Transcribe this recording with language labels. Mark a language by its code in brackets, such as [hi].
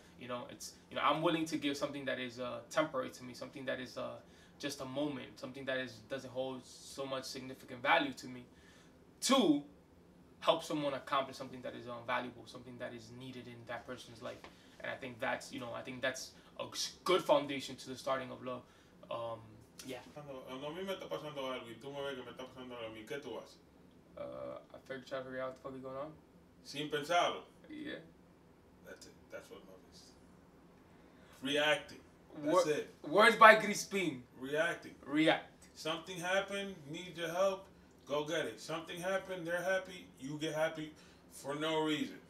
[en] You know, it's, you know, I'm willing to give something that is temporary to me, something that is just a moment, something that is doesn't hold so much significant value to me, to help someone accomplish something that is valuable, something that is needed in that person's life. And I think that's, you know, I think that's a good foundation to the starting of love. [es] Cuando a mí me está pasando algo y tú me ves que me está pasando algo a mí, ¿qué tú haces? [en] I figured out what the fuck is going on. [es] Sin pensarlo. [en] Yeah. That's it. That's what love is. Reacting. That's it. Words by Crispin. Reacting. React. Something happened, need your help, go get it. Something happened, they're happy, you get happy for no reason.